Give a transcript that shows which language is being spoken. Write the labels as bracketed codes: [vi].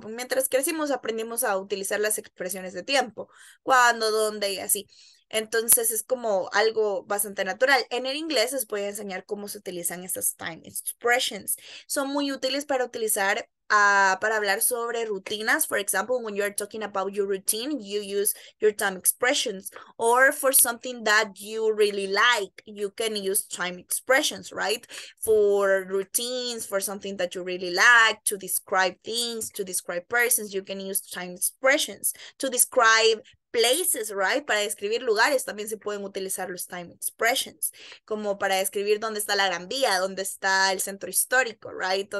[es] Mientras crecimos aprendimos a utilizar las expresiones de tiempo. ¿Cuándo, dónde y así? Entonces es como algo bastante natural. En el inglés les voy a enseñar cómo se utilizan estas time expressions. Son muy útiles para utilizar, para hablar sobre rutinas. [en] For example, when you're talking about your routine, you use your time expressions. Or for something that you really like, you can use time expressions, right? For routines, for something that you really like, to describe things, to describe persons, you can use time expressions. To describe places, right? [es] Para describir lugares también se pueden utilizar los time expressions, como para describir dónde está la Gran Vía, dónde está el centro histórico, right?